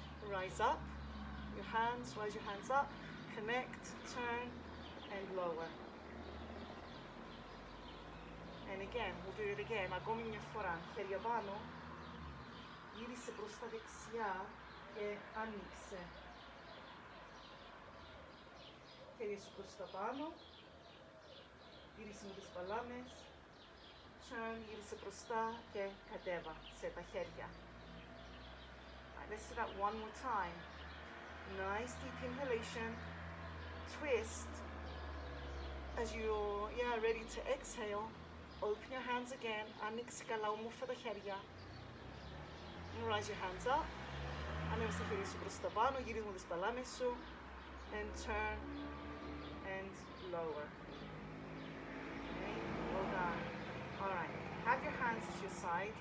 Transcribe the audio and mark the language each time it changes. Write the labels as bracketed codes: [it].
[en] Rise up, your hands, rise your hands up, connect, turn, and lower. And again, we'll do it again. [el] Ακόμη μια φορά, χέρια πάνω, γύρισε προς τα δεξιά και άνοιξε. Χέρια σου προς τα πάνω, γύρισε με τις παλάμες, turn, γύρισε προς τα και κατέβα σε τα χέρια. [en] Let's do that one more time. Nice deep inhalation. Twist. As you're ready to exhale, open your hands again. [el] Άνοιξε καλά όμορφα τα χέρια. [en] And rise your hands up. [el] Ανέβασε τα χέρια σου προς τα πάνω. Γυρίζουμε τις παλάμες σου. [en] And turn and lower. Okay, well done. All right. Have your hands at your side.